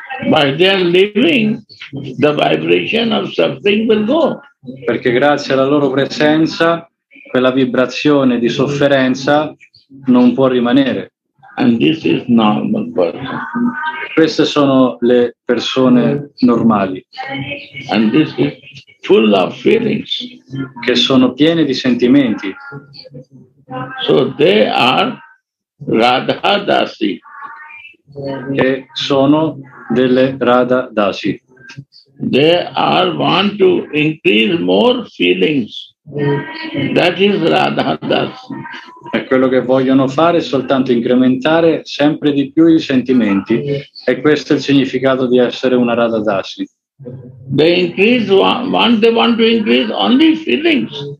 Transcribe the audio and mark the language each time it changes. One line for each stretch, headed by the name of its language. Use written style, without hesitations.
English: By their living, the vibration of suffering will go.
Italian: Perché grazie alla loro presenza, quella vibrazione di sofferenza non può rimanere.
English: And this is normal person.
Italian: Queste sono le persone normali.
English: And this is full of feelings.
Italian: Che sono piene di sentimenti.
English: So they are Radha Dasi.
Italian: Che sono delle Radha Dasi.
English: They are want to increase more feelings. That is Radha Dasi.
Italian: E quello che vogliono fare è soltanto incrementare sempre di più i sentimenti. E questo è il significato di essere una Radha Dasi.
English: They increase one, they want to increase only feelings.